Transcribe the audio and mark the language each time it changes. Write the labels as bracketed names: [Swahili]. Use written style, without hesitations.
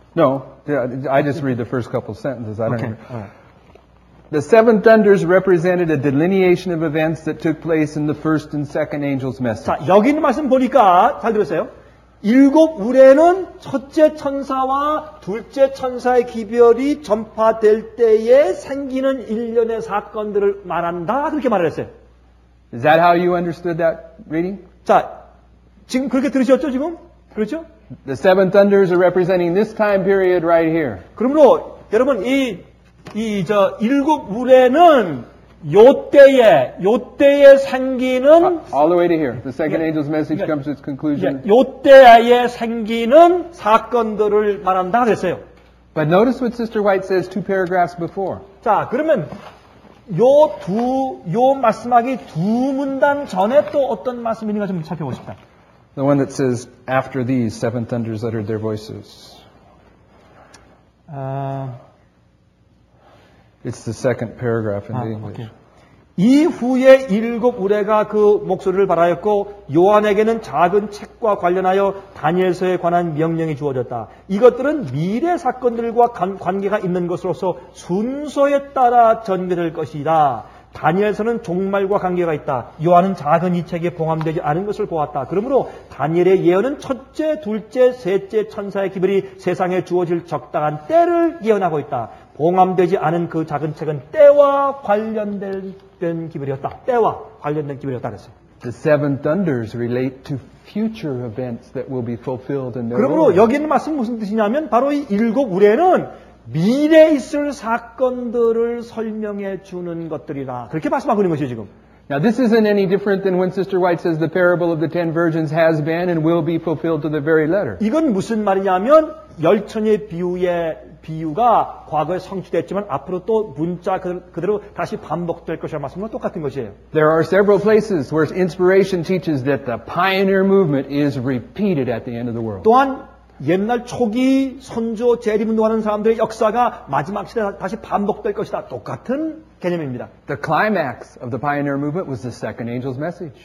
[English] No, I just read the first couple sentences. I don't know. The seven thunders represented a delineation of events that took place in the first and second angels' message. [Korean] 자, 여기 있는 말씀 보니까 잘 들으세요. 일곱 우레는 첫째 천사와 둘째 천사의 기별이 전파될 때에 생기는 일련의 사건들을 말한다. 그렇게 말을 했어요. [English] Is that how you understood that reading? [Korean] 자, 지금 그렇게 들으셨죠, 지금? 그렇죠? [English] The seven thunders are representing this time period right here. [Korean] 그러므로 여러분 이 일곱 물에는 요 때의 생기는 [English] all the way to here. The second angel's message comes to its conclusion. [Korean] 요 때의 생기는 사건들을 말한다 그랬어요. [English] But notice what Sister White says two paragraphs before. [Korean] 자, 그러면 요 말씀하기 두 문단 전에 또 어떤 말씀인가 좀 살펴보십시다. [English] The one that says after these seven thunders uttered their voices. It's the second paragraph in the English. Okay. [Korean] 이후에 일곱 우레가 그 목소리를 발하였고 요한에게는 작은 책과 관련하여 다니엘서에 관한 명령이 주어졌다. 이것들은 미래 사건들과 관계가 있는 것으로서 순서에 따라 전개될 것이다. 다니엘서는 종말과 관계가 있다. 요한은 작은 이 책에 포함되지 않은 것을 보았다. 그러므로 다니엘의 예언은 첫째, 둘째, 셋째 천사의 기별이 세상에 주어질 적당한 때를 예언하고 있다. 봉함되지 않은 그 작은 책은 때와 관련된 기별이었다. 때와 관련된 기별이었다 그랬어요. [English] The seven thunders relate to future events that will be fulfilled in their [Korean] 그러므로 [English] own. [Korean] 여기 있는 말씀 무슨 뜻이냐면 바로 이 일곱 우레는 미래에 있을 사건들을 설명해 주는 것들이다. 그렇게 말씀하고 있는 것이 지금. [English] Now this isn't any different than when Sister White says the parable of the ten virgins has been and will be fulfilled to the very letter. [Korean] 이건 무슨 말이냐면 열천의 비유에 비유가 과거에 성취됐지만 앞으로 또 문자 그대로 다시 반복될 것이라는 말씀과 똑같은 것이에요. [English] There are several places where inspiration teaches that the pioneer movement is repeated at the end of the world. [Korean] 또한 옛날 초기 선조 재림 운동하는 사람들의 역사가 마지막 시대에 다시 반복될 것이다. 똑같은 개념입니다. [English] The climax of the pioneer movement was the second angel's message.